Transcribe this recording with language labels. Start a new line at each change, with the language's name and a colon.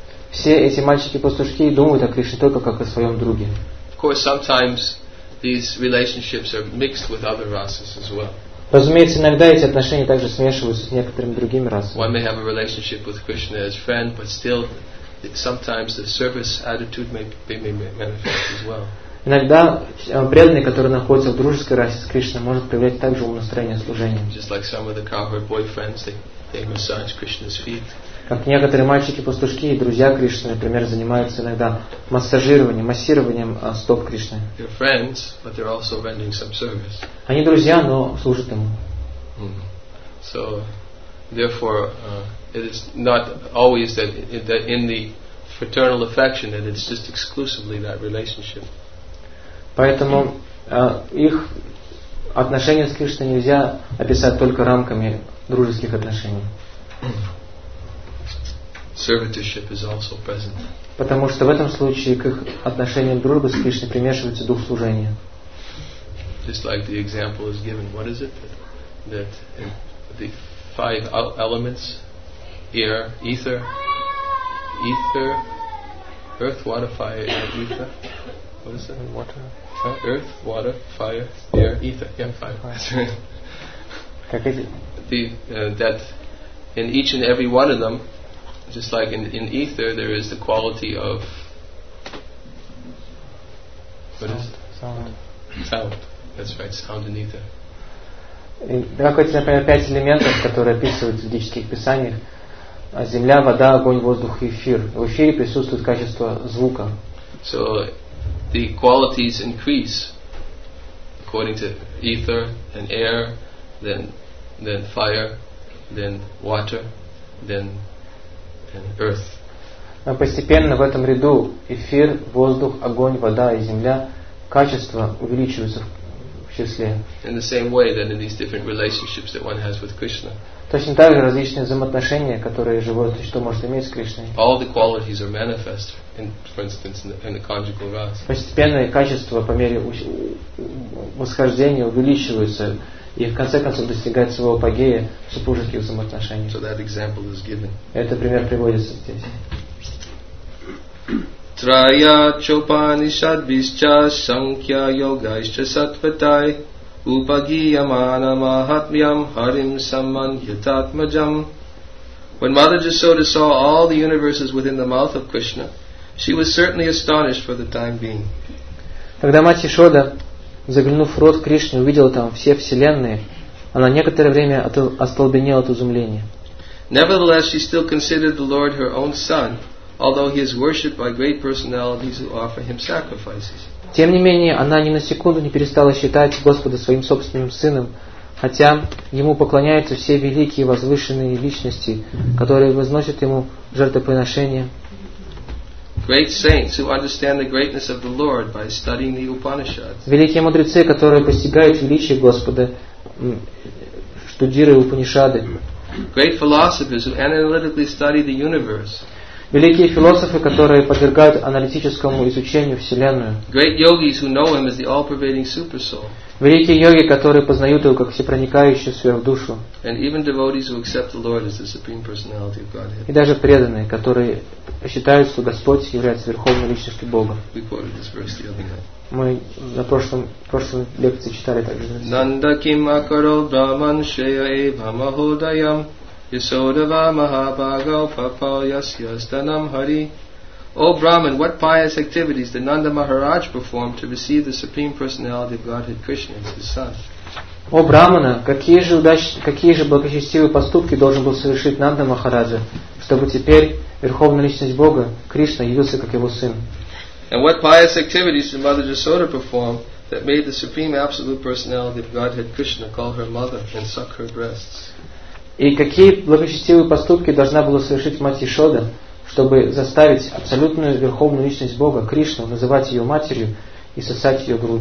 Russian: Все эти мальчики-пастушки думают о Кришне только как о своем друге.
English: Of course, sometimes these relationships are mixed with other rasas as well.
Russian: Разумеется, иногда эти отношения также смешиваются с некоторыми другими расами.
English: One may have a relationship with Krishna as friend, but still, sometimes the service attitude may manifest as well.
Russian: Иногда преданный, который находится в дружеской расе с Кришной, может проявлять также ум настроение служения.
English: Just like some of the cowherd boyfriends, they massage Krishna's feet.
Russian: Как некоторые мальчики-пастушки и друзья Кришны, например, занимаются иногда массированием стоп Кришны.
English: They're friends, but they're also rendering some service.
Russian: Они друзья, но служат ему.
English: So, therefore, it is not always that in the fraternal affection that it's just exclusively that relationship.
Russian: Поэтому их отношения с Кришной нельзя описать только рамками дружеских отношений.
English: Servitorship is also present.
Russian: Потому что в этом случае к их отношениям дружбы с Кришной примешивается дух служения.
English: Just like the example is given, what is it that the five elements: air, ether, earth, water, fire, air, ether. What is it? Water. Earth, water, fire, air, ether. Yeah, fire.
Russian: Как эти?
English: That in each and every one of them. Just like in ether, there is the quality of what is it? Sound. That's right. Sound in ether.
Russian: Как эти, например, пять элементов, которые описываются в ведических писаниях: земля, вода, огонь, воздух и эфир. В эфире присутствует качество звука.
English: So the qualities increase according to ether and air, then fire, then water, then earth.
Russian: Постепенно в этом ряду эфир, воздух, огонь, вода и земля качества увеличиваются в числе.
English: In the same way that in these different relationships that one has with Krishna.
Russian: Точно так же различные взаимоотношения, которые живое существо может иметь с Кришной.
English: All the qualities are manifest, for instance, in the conjugal rasa.
Russian: Постепенно качества по мере восхождения увеличиваются. И в конце концов достигает своего апогея в супружеских взаимоотношениях.
English: So that example is given.
Russian: Это пример приводится здесь.
Sanskrit: Трая чопанишад вишча шанкья йогайшча сатватай упагияманам махатмьям харим самманьятатмаджам.
English: When Mother Jasoda saw all the universes within the mouth of Krishna, she was certainly astonished for the time being.
Russian: Когда мать Ишода, заглянув в рот Кришны, увидела там все вселенные, она некоторое время остолбенела от изумления.
English: Nevertheless, she still considered the Lord her own son, although he is worshipped by great personalities who offer him sacrifices.
Russian: Тем не менее, она ни на секунду не перестала считать Господа своим собственным сыном, хотя ему поклоняются все великие возвышенные личности, которые возносят ему жертвоприношения.
English: Great saints who understand the greatness of the Lord by studying the Upanishads.
Russian: Великие мудрецы, которые постигают величие Господа, студируя Упанишады.
English: Great philosophers who analytically study the universe.
Russian: Великие философы, которые подвергают аналитическому изучению Вселенную.
English: Great yogis who know him as the all-pervading super soul.
Russian: Великие йоги, которые познают его как всепроникающую сверхдушу.
English: And even devotees who accept the Lord as the supreme personality of Godhead.
Russian: И даже преданные, которые считают, что Господь является верховной личностью Бога.
English: We quoted this verse the other night.
Russian: Мы на прошлом лекции читали также.
Sanskrit: Нанда ким акаро браман шея эва маходаям Yasodava Mahabhaga Papal Yas Yasdanam Hari.
English: O Brahman, what pious activities did Nanda Maharaj perform to receive the Supreme Personality of Godhead Krishna as his son?
Russian: О Брамана, какие же благочестивые поступки должен был совершить Нанда Махараджа, чтобы теперь Верховная Личность Бога, Кришна, явился как его сын?
English: And what pious activities did Mother Yasoda perform that made the Supreme Absolute Personality of Godhead Krishna call her mother and suck her breasts?
Russian: И какие благочестивые поступки должна была совершить мать Ишода, чтобы заставить абсолютную верховную личность Бога, Кришну, называть ее матерью и сосать ее